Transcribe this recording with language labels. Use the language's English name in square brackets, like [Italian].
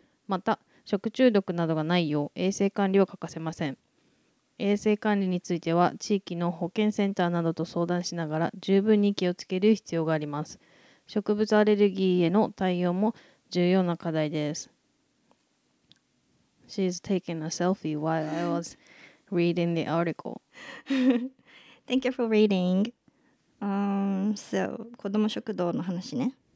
[Japanese] また、食中毒などがないよう衛生管理は欠かせません。衛生管理については地域の保健センターなどと相談しながら十分に気をつける必要があります。植物アレルギーへの対応も重要な課題です。 [English] She's taking a selfie while I was reading the article. Thank you for reading. [Japanese] So, 子ども食堂の話ね。